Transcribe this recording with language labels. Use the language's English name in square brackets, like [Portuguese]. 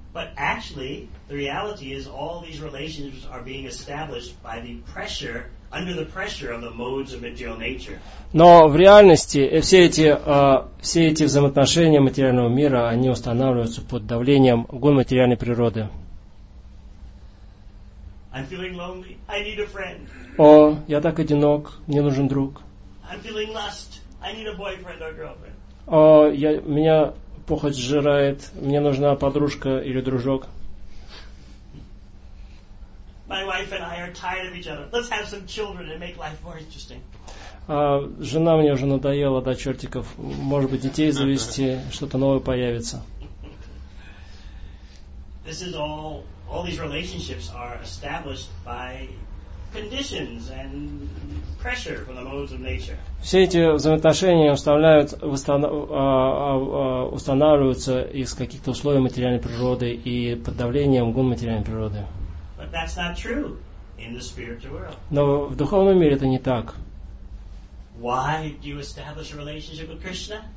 [English] But actually, the reality is all these relationships are being established by the pressure, under the pressure of the modes of material nature. [Russian] Но в реальности все эти взаимоотношения материального мира, они устанавливаются под давлением гун материальной природы. [English] I'm feeling lonely. I need a friend. [Russian] О, я так одинок. Мне нужен друг. [English] I'm feeling lust. I need a boyfriend or girlfriend. [Russian] О, меня похоть сжирает. Мне нужна подружка или дружок. [English] My wife and I are tired of each other. Let's have some children and make life more interesting. [Russian] Жена мне уже надоела до чертиков. Может быть, детей завести, что-то новое появится. [English] This is all these relationships are established by conditions and pressure from the modes of nature. [Russian] Все эти взаимоотношения устанавливаются из каких-то условий материальной природы и под давлением гун материальной природы. [English] But that's not true in the spiritual world. [Russian] Но в духовном мире это не так. [English] Why do you establish a relationship with Krishna?